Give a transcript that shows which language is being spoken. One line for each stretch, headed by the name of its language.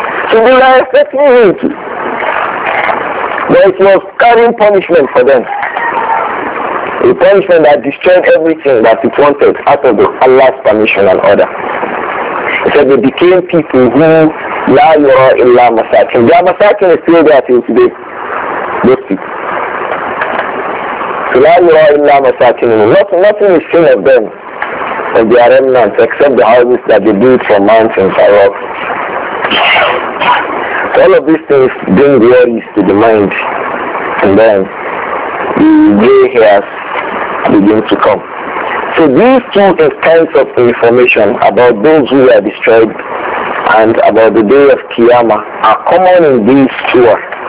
English: So they were expecting him to. But it was carrying punishment for them. A punishment that destroyed everything that it wanted out of Allah's permission and order. He said they became people who
Arabic: لَا يُرَى إِلَّا مَسَاكِنُهُمْ.
English: Their masakin is still there till today. Those people.
Arabic: So لَا يُرَى إِلَّا مَسَاكِنُهُمْ.
English: Nothing is seen of them. Of their remnants, except the houses that they built from mountains and rocks. So all of these things bring worries to the mind, and then the gray hairs begin to come. So these two kinds of information about those who were destroyed and about the day of Qiyamah are common in these surahs.